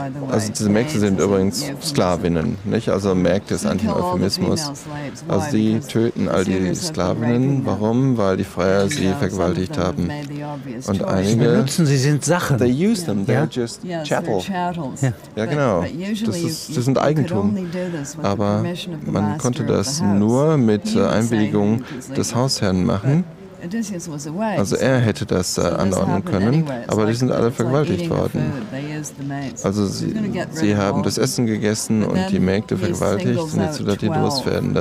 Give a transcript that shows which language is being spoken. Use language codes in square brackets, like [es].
[de] Also diese Mägde sind übrigens Sklavinnen, nicht? Also Mägde ist eigentlich ein Euphemismus. Also sie töten all die Sklavinnen. Warum? Weil die Freier sie vergewaltigt haben. Und einige benutzen sie, sind Sachen. [en] They use them, they're just chattel. [de] Ja, genau. Das sind Eigentum. Aber man konnte das nur mit Einwilligung des Hausherrn machen. Also er hätte das anordnen können, aber die sind alle vergewaltigt worden. Also sie haben das Essen gegessen und die Mägde vergewaltigt und jetzt wird die Durst werden.